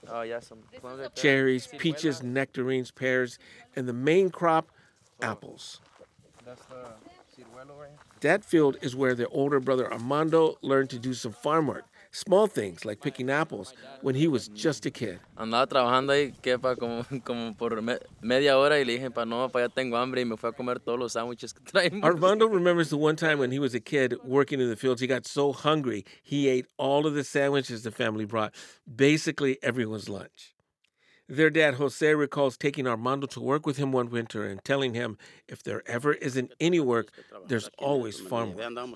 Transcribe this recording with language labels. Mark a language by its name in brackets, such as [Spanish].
[English] Oh, yeah, some plums. Cherries, peaches, nectarines, pears, and the main crop, apples. That's the ciruelo right here. That field is where their older brother Armando learned to do some farm work, small things like picking apples, when he was just a kid. [Spanish] Andaba trabajando ahí que pa como por media hora y le dije pa no pa ya tengo hambre y me fui a comer todos los sándwiches que traemos. [English] Armando remembers the one time when he was a kid working in the fields. He got so hungry he ate all of the sandwiches the family brought, basically everyone's lunch. Their dad, Jose, recalls taking Armando to work with him one winter and telling him if there ever isn't any work, there's always farm work.